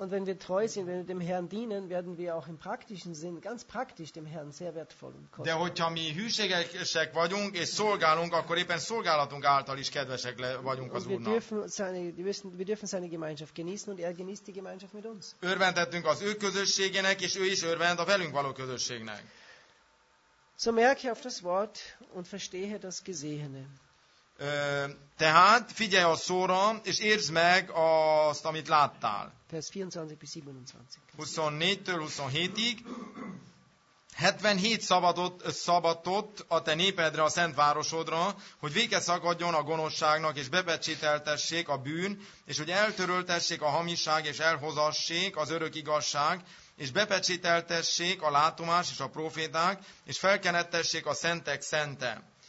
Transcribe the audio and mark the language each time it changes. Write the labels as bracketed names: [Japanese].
[German] Und wenn wir treu sind, wenn wir dem Herrn dienen, werden wir auch im praktischen Sinn, ganz praktisch dem Herrn sehr wertvoll und kostbar. [Hungarian] De hogyha mi hűségesek vagyunk és szolgálunk, akkor éppen szolgálatunk által is kedvesek vagyunk az Úrnak. [German] Wir dürfen seine Gemeinschaft genießen und er genießt die Gemeinschaft mit uns. [Hungarian] Örvendettünk az ő közösségének, és ő is örvend a velünk való közösségnek. [German] So merke auf das Wort und verstehe das Gesehene. [Hungarian] Tehát figyelj a szóra, és értsd meg azt, amit láttál. [German] Vers 24 bis 27. [Hungarian] 24-től 27-ig. 77 szabatot a te népedre, a szent városodra, hogy véke szakadjon a gonoszságnak, és bepecsételtessék a bűn, és hogy eltöröltessék a hamiság, és elhozassék az örök igazság, és bepecsételtessék a látomás és a proféták, és felkenettessék a szentek szente.